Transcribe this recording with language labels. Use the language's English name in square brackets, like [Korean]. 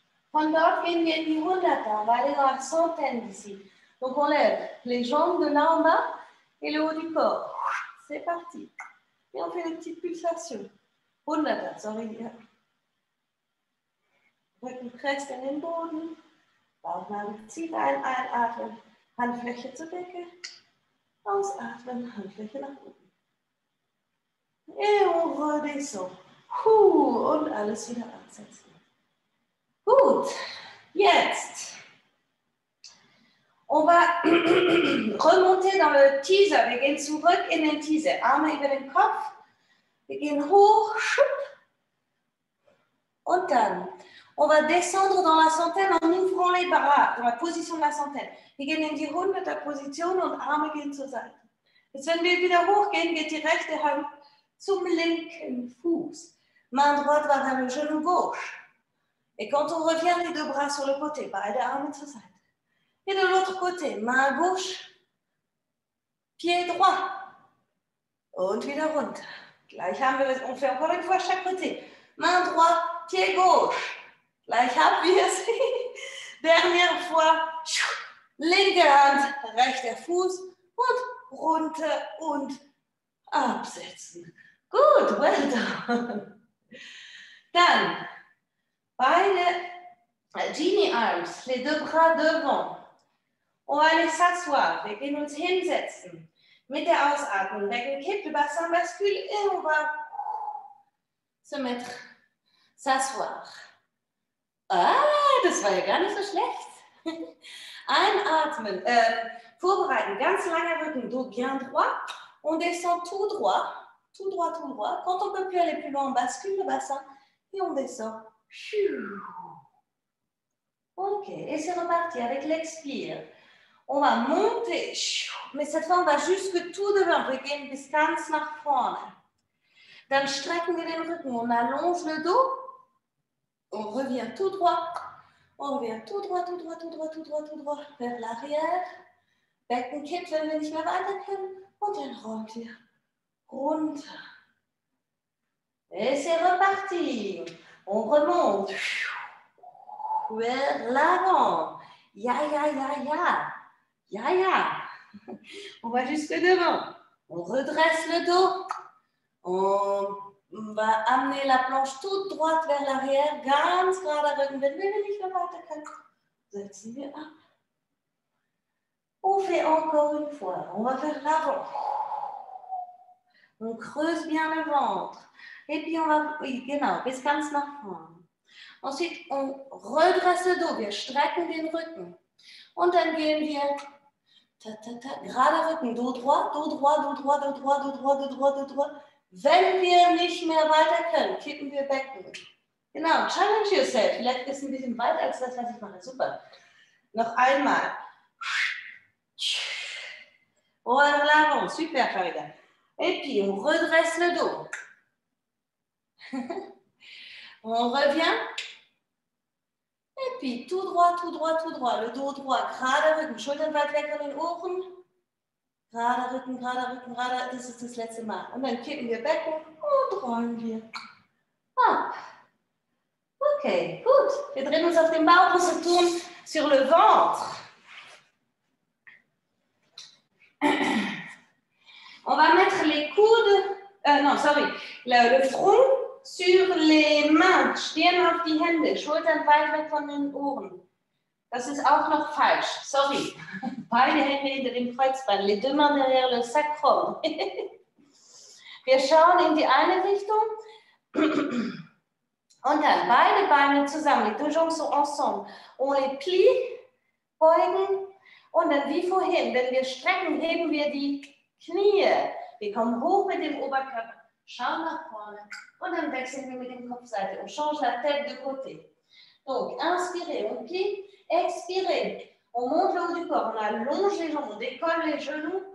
[German] Von dort gehen wir in die Hunderter. [French] On va aller dans la centaine d'ici. Donc on lève les jambes de là en bas et le haut du corps. C'est parti. Et on fait des petites pulsations. [German] Hunderter, sorry. Rücken presst in den Boden. Bauchnabel zieht ein, einatmen, Handfläche zur Decke, ausatmen, Handfläche nach oben. [French] Et on redescend. [German] Und alles wieder ansetzen. Gut, jetzt. [French] On va remonter dans le teaser. [German] Wir gehen zurück in den teaser. Arme über den Kopf. Wir gehen hoch. Schupp. Und dann. [French] On va descendre dans la centaine en ouvrant les bras, dans la position de la centaine. [German] Wir gehen in die Hunderter Position und Arme gehen zur Seite. Jetzt, wenn wir wieder hochgehen, geht die rechte Hand zum linken Fuß. [French] Main droite va vers le genou gauche. Et quand on revient, les deux bras sur le côté, [German] beide Arme zur Seite. [French] Et de l'autre côté, main gauche, pied droit. [German] Und wieder runter. Gleich haben wir, [French] on fait encore une fois chaque côté. Main droite, pied gauche. [German] Gleich haben wir es. [French] Dernière fois. [German] Linke Hand, rechter Fuß. Und runter und absetzen. Gut, [English] well done. [German] Dann, beide Genie Arms, [French] les deux bras devant. On va aller s'asseoir. [German] Wir gehen uns hinsetzen. Mit der Ausatmung. Becken kippt, [French] le bassin bascule. Et on va se mettre s'asseoir. [German] Ah, das war ja gar nicht so schlecht. Einatmen. Vorbereiten. Ganz langer Rücken. [French] Dos bien droit. On descend tout droit. Tout droit, tout droit. Quand on peut plus aller plus loin, on bascule le bassin. Et on descend. Ok. Et c'est reparti avec l'expire. On va monter. Mais cette fois, on va jusque tout devant. [German] Wir gehen bis ganz nach vorne. Dann strecken wir den Rücken. [French] On allonge le dos. On revient tout droit. On revient tout droit, tout droit, tout droit, tout droit, tout droit, vers l'arrière. [German] Becken kippt, wenn wir nicht mehr weiter können. Und dann rollt ihr runter. [French] Et c'est reparti. On remonte. Vers l'avant. [German] Ja, ja, ja, ja. Ja, ja. [French] On va jusque devant. On redresse le dos. On va amener la planche toute droite vers l'arrière, [German] ganz gerade Rücken, wenn wir nicht mehr weiter können, setzen wir ab. [French] On fait encore une fois, on va faire l'avant. On creuse bien le ventre. Et puis on va, oui, [German] genau, bis ganz nach vorne. [French] Ensuite, on redresse le dos, [German] wir strecken den Rücken. Und dann gehen wir, ta, ta, ta, gerade Rücken, [French] dos droit, dos droit, dos droit, dos droit, dos droit, dos droit, dos droit. [German] Wenn wir nicht mehr weiter können, kippen wir Becken. Genau, [English] challenge yourself. [German] Vielleicht ist es ein bisschen weiter als das, was ich mache. Super. Noch einmal. [French] Voilà, bon. Super, Farida. Et puis, on redresse le dos. On revient. Et puis, tout droit, tout droit, tout droit. Le dos droit, [German] gerade Rücken. Schultern weit weg von den Ohren. Gerade Rücken, gerade Rücken, gerade, das ist das letzte Mal. Und dann kippen wir Becken und rollen wir ab. Okay, gut. Wir drehen uns auf den Bauch und tun [French] sur le ventre. On va mettre les coudes, non, sorry, le front sur les mains. [German] Stirn auf die Hände, Schultern weit weg von den Ohren. Das ist auch noch falsch, sorry. Beide Hände hinter dem Kreuzbein. [French] Les deux mains derrière le sacrum. [German] Wir schauen in die eine Richtung. Und dann beide Beine zusammen, [French] les deux jambes sont ensemble. On les plie, [German] beugen. Und dann wie vorhin, wenn wir strecken, heben wir die Knie. Wir kommen hoch mit dem Oberkörper, schauen nach vorne. Und dann wechseln wir mit dem Kopfseite. [French] On change la tête de côté. Donc, inspirez, on plie. Expirez, on monte le haut du corps. On allonge les jambes, on décolle les genoux.